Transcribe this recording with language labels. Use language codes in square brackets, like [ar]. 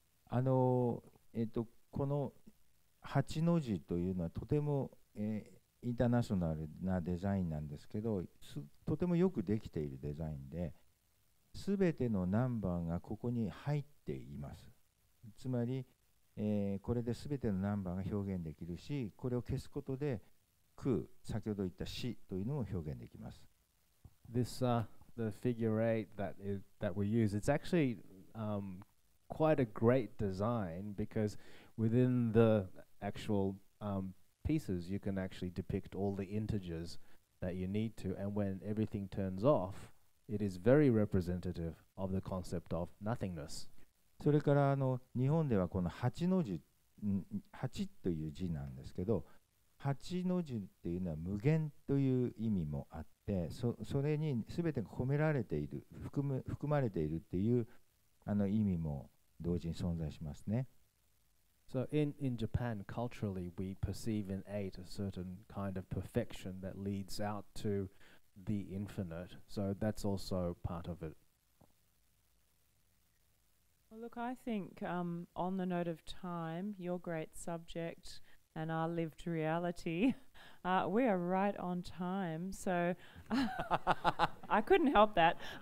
[ja] この八の字というのはとても、インターナショナルなデザインなんですけど、とてもよくできているデザインで、すべてのナンバーがここに入っています。つまり、これですべてのナンバーが表現できるし、これを消すことで空、先ほど言った死というのも表現できます。 [en] This the figure eight that we use, it's actually quite a great design, because within the actual pieces you can actually depict all the integers that you need to, and when everything turns off it is very representative of the concept of nothingness. [ja] それから日本ではこの八の字、八という字なんですけど、八の字っていうのは無限という意味もあって、それに全てが込められている、含まれているっていう意味も同時に存在しますね。 [en] So in Japan culturally we perceive in eight a certain kind of perfection that leads out to the infinite, so that's also part of it. Well, look, I think on the note of time, your great subject and our lived reality, we are right on time, so I couldn't help that.